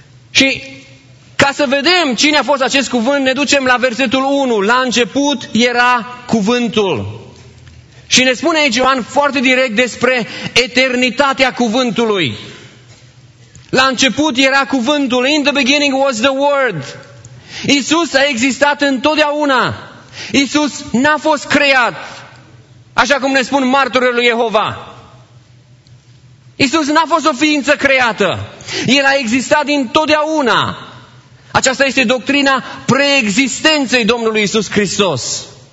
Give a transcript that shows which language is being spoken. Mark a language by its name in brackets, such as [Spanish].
[Romanian] Și ca să vedem cine a fost acest cuvânt, ne ducem la versetul 1. La început era cuvântul. Și ne spune aici Ioan foarte direct despre eternitatea cuvântului. La început era cuvântul. [English] In the beginning was the word. [Romanian] Iisus a existat întotdeauna. Iisus n-a fost creat, așa cum ne spun martorii lui Jehova. Iisus n-a fost o ființă creată. El a existat întotdeauna. Aceasta este doctrina preexistenței Domnului Iisus Hristos.